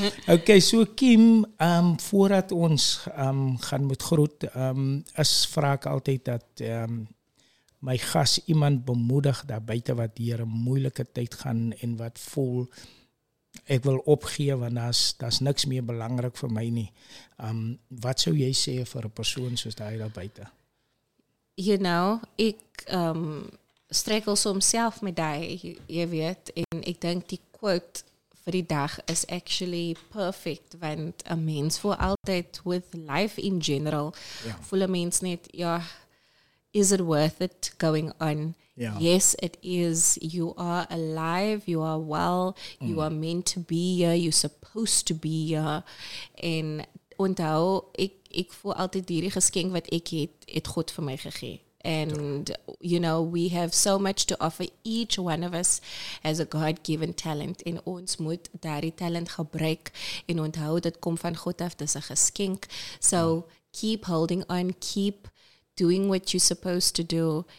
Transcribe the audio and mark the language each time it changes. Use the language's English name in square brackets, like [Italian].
[Afrikaans] Okay, so Kim, voordat ons gaan met groet, is vraag altyd dat my gas iemand bemoedig daar buiten wat hier een moeilike tyd gaan en wat voel, ek wil opgee, want daar is niks meer belangrik vir my nie. Wat sou jy sê vir 'n persoon soos die daar buiten? Struikel soms self met die, jy weet, en ek dink die quote vir die dag is actually perfect, want a mens voel altyd, [English] with life in general, [Afrikaans] voel a mens net, [English] is it worth it going on? Yeah. Yes, it is. You are alive, you are well, you are meant to be here, you're supposed to be here, [Afrikaans] en onthou, ek, ek voel altyd hierdie geskenk wat ek het, het God vir my gegee. [English] And, you know, we have so much to offer. Each one of us has a God-given talent. [Afrikaans] En ons moet daardie talent gebruik en onthou dat kom van God af, dis 'n geskenk. [English] So, keep holding on, keep doing what you're supposed to do.